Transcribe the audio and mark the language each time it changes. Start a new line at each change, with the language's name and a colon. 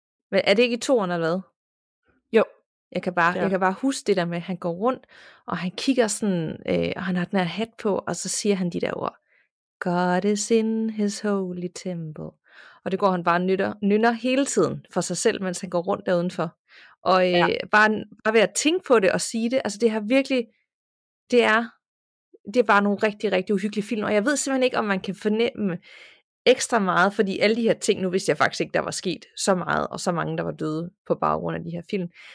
Danish: Men er det ikke i toren eller hvad? Jo. Jeg kan bare huske det der med, at han går rundt, og han kigger sådan, og han har den her hat på, og så siger han de der ord.
English: God is in his holy temple.
Danish: Og det går han bare nynner hele tiden for sig selv, mens han går rundt der udenfor. Og ja. bare ved at tænke på det og sige det, altså det har virkelig... Det er bare nogle rigtig, rigtig uhyggelige film, og jeg ved simpelthen ikke, om man kan fornemme ekstra meget, fordi alle de her ting, nu vidste jeg faktisk ikke, der var sket så meget, og så mange, der var døde på baggrund af de her film.